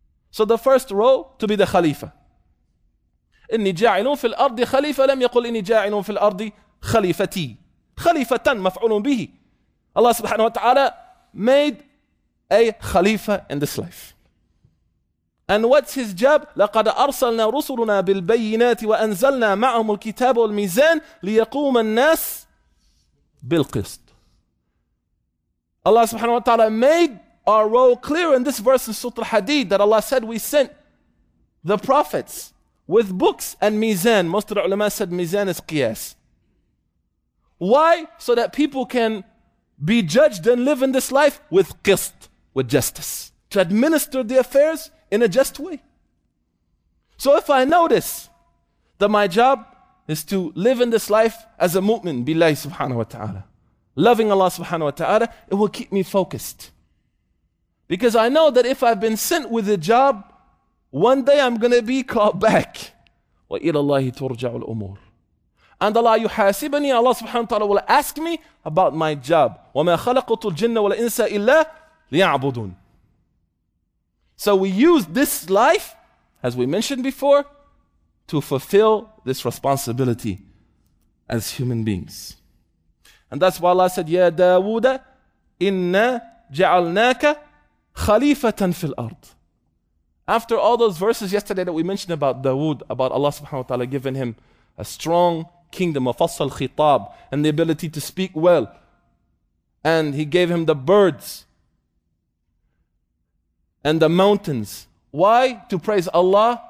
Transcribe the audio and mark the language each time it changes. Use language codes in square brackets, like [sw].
[en] So the first role, to be the Khalifa. [ar] إِنِّي جَاعِلٌ فِي الْأَرْضِ خَلِيفَةً لَمْ يَقُلْ إِنِّي جَاعِلٌ فِي الْأَرْضِ خليفتي خليفة مفعول به. [en] Allah subhanahu wa ta'ala made a khalifa in this life. And what's his job? [ar] لقد أرسلنا رسلنا بالبينات وأنزلنا معهم الكتاب والميزان ليقوم الناس بالقسط. [en] Allah subhanahu wa ta'ala made our role clear in this verse in Surah Al-Hadid that Allah said we sent the prophets with books and mizan. Most of the ulama said mizan is qiyas. Why? So that people can be judged and live in this life with qist, with justice. To administer the affairs in a just way. So if I notice that my job is to live in this life as a mu'min, billahi subhanahu wa ta'ala, loving Allah subhanahu wa ta'ala, it will keep me focused. Because I know that if I've been sent with a job, one day I'm going to be called back. [ar] وَإِلَى اللَّهِ تُرْجَعُ الْأُمُورِ. [en] And Allah يحاسبني, Allah subhanahu wa ta'ala will ask me about my job. [ar] وَمَا خَلَقُتُ الْجِنَّ وَالْإِنسَ إِلَّا لِيَعْبُدُونَ. [en] So we use this life, as we mentioned before, to fulfill this responsibility as human beings. And that's why Allah said, [ar] يَا دَاوُدَ إِنَّا جَعَلْنَاكَ خَلِيفَةً فِي الْأَرْضِ. [en] After all those verses yesterday that we mentioned about Dawood, about Allah subhanahu wa ta'ala giving him a strong kingdom, [ar] وَفَصَّ الْخِطَابِ, [en] and the ability to speak well. And he gave him the birds and the mountains. Why? To praise Allah.